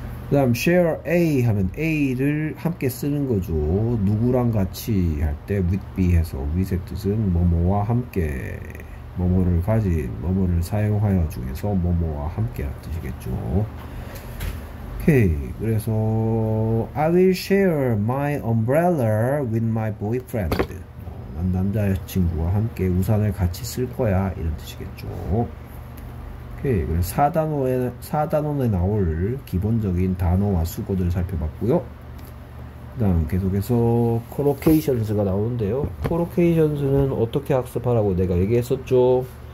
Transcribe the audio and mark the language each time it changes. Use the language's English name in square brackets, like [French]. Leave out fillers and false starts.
[Korean] 그다음 share A 하면 A를 함께 쓰는 거죠. 누구랑 같이 할때 with B 해서 with의 뜻은 뭐뭐와 함께, 뭐뭐를 가진, 뭐뭐를 사용하여 중에서 뭐뭐와 함께라는 뜻이겠죠. 오케이. [English] 그래서 I will share my umbrella with my boyfriend. [Korean] 난 남자친구와 함께 우산을 같이 쓸 거야 이런 뜻이겠죠. 오케이. 그럼 4단원에 나올 기본적인 단어와 수거들을 살펴봤고요. 그다음 계속해서 collocations가 나오는데요. collocations는 어떻게 학습하라고 내가 얘기했었죠.